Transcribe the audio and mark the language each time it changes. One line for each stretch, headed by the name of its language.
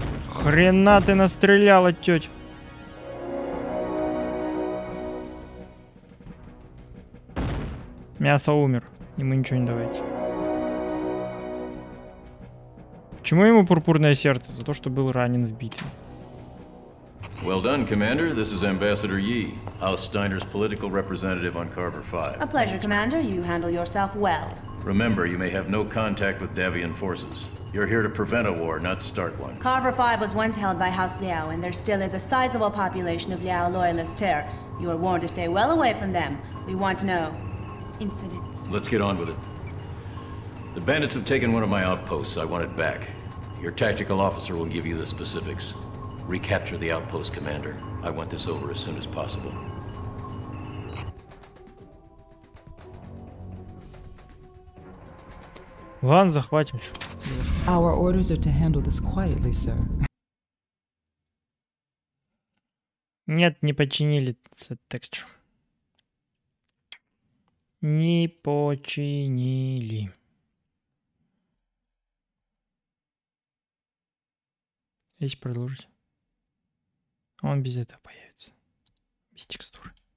Russian: Хрена ты настреляла, тёть. Мясо умер. Ему ничего не давайте. Почему ему пурпурное сердце? За то, что был ранен в битве.
English: Well done, Commander. This is Ambassador Yi, House Steiner's political representative on Carver 5. A pleasure, Commander. You handle yourself well. Remember, you may have no contact with Davian forces. You're here to prevent a war, not start one. Carver 5 was once held by House Liao, and there still is a sizable population of Liao loyalists here. You are warned to stay well away from them. We want to know. Incidents. Let's get on with it. The bandits have taken one of my outposts. I want it back. Your tactical officer will give you the specifics. Recapture the outpost, Commander. I want this over as soon as possible.
Russian: Ладно, захватим.
English: Our orders are to handle this quietly, sir.
Russian: Нет, не починили текстуру. Не починили. Если продолжить. Он без этого появится. Без текстуры.